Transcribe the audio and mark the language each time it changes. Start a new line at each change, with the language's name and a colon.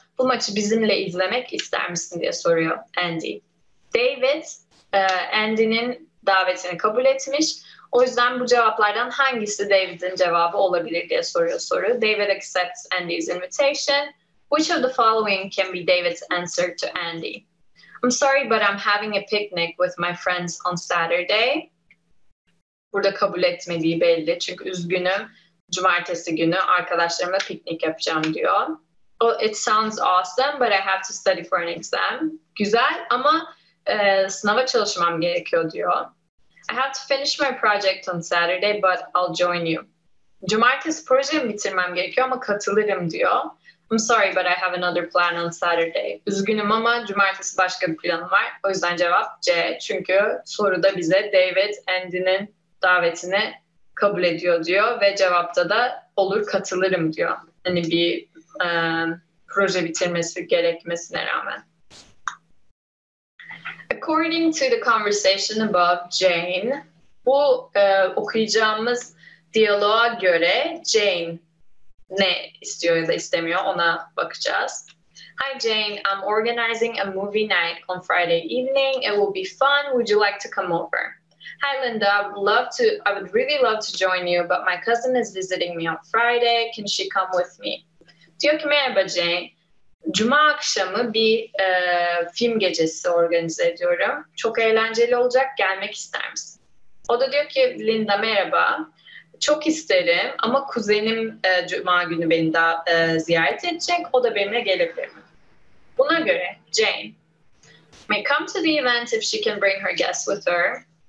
Turkish: Bu maçı bizimle izlemek ister misin diye soruyor Andy. David, Andy'nin davetini kabul etmiş. O yüzden bu cevaplardan hangisi David'in cevabı olabilir diye soruyor soru.
English: David accepts Andy's invitation. Which of the following can be David's answer to Andy? I'm sorry, but I'm having a picnic with my friends on Saturday.
Turkish: Burada kabul etmediği belli. Çünkü üzgünüm. Cumartesi günü arkadaşlarımla piknik yapacağım diyor.
English: Oh, it sounds awesome, but I have to study for an exam.
Turkish: Güzel ama sınava çalışmam gerekiyor diyor.
English: I have to finish my project on Saturday, but I'll join you.
Turkish: Cumartesi projemi bitirmem gerekiyor ama katılırım diyor.
English: I'm sorry, but I have another plan on Saturday.
Turkish: Üzgünüm ama cumartesi başka bir planım var. O yüzden cevap C. Çünkü soruda bize David, Andy'nin davetini kabul ediyor diyor. Ve cevapta da olur katılırım diyor. Hani bir proje bitirmesi gerekmesine rağmen.
English: According to the conversation above, Jane.
Turkish: Bu okuyacağımız diyaloğa göre Jane ne istiyor ya da istemiyor ona bakacağız.
English: Hi Jane, I'm organizing a movie night on Friday evening. It will be fun. Would you like to come over? Hi Linda, I would really love to join you, but my cousin is visiting me on Friday. Can she come with me?
Turkish: Diyor ki merhaba Jane, cuma akşamı bir film gecesi organize ediyorum. Çok eğlenceli olacak, gelmek ister misin? O da diyor ki Linda merhaba, çok isterim ama kuzenim cuma günü beni daha ziyaret edecek. O da benimle gelebilir mi? Buna göre
English: Jane may come to the event if she can bring her guests with her.